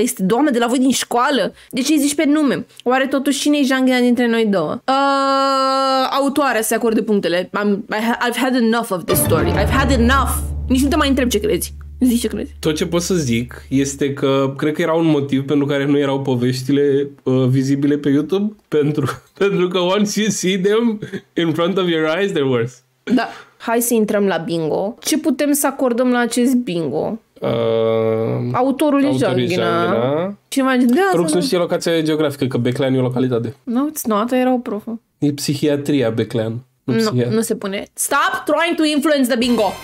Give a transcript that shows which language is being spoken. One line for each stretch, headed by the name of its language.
Romanian: Este doamna de la voi din școală? De ce îi zici pe nume? Oare totuși cine e Jean-Ghina dintre noi două? Autoarea se acordă punctele.
English: I've had enough of this story. I've had enough.
Romanian: Nici nu te mai întreb ce crezi. Zici ce crezi. Tot ce pot să zic este că cred că era un motiv pentru care nu erau poveștile vizibile pe YouTube. Pentru că
English: once you see them in front of your eyes, they're worse.
Romanian: Da. Hai să intrăm la bingo. Ce putem să acordăm la acest bingo? Autorul Jeanghina. Cineva Jeanghina. Rog să nu știe locația geografică, că Beclean e o localitate.
English: No, it's not.
Romanian: Era o profă. E psihiatria Beclean. Nu se pune.
English: Stop trying to influence the bingo.